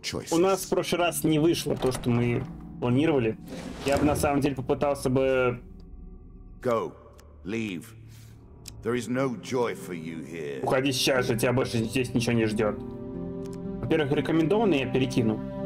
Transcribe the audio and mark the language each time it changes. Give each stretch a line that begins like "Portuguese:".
Russian: У нас в прошлый раз не вышло то, что мы планировали. Я бы на самом деле попытался бы...
English: Go, leave. There is no joy for you here.
Russian: Уходи сейчас же, тебя больше здесь ничего не ждет. Во-первых, рекомендованный я перекину.